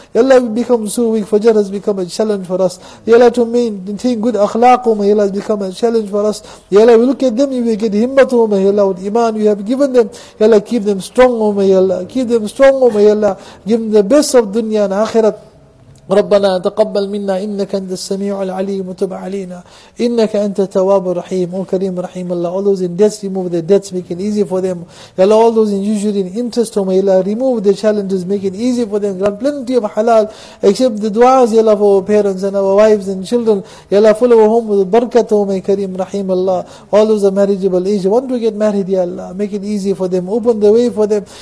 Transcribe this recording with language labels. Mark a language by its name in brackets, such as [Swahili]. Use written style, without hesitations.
[English] Ya Allah, we become so weak, Fajr has become a challenge for us. Ya Allah, to maintain good akhlaq, O my Allah, has become a challenge for us. Ya Allah, we look at them, we get himmat, O my Allah, with Iman we have given them. Ya Allah, keep them strong, O my Allah. Keep them strong, O my Allah. Give them the best of dunya and akhirat. [Arabic] ربنا تقبل منا إنك أنت السميع العليم وتب علينا إنك أنت التواب الرحيم أو كريم رحيم الله. [English] All those in debts, remove their debts, make it easy for them. Ya Allah, all those in usury and interest, O may Allah, remove the challenges, make it easy for them. Grant plenty of halal, accept the duas, Ya Allah, for our parents and our wives and children. Ya Allah, fill our home with barakat, O may Kareem Rahim Allah. All those of marriageable age, want to get married, Ya Allah, make it easy for them, open the way for them.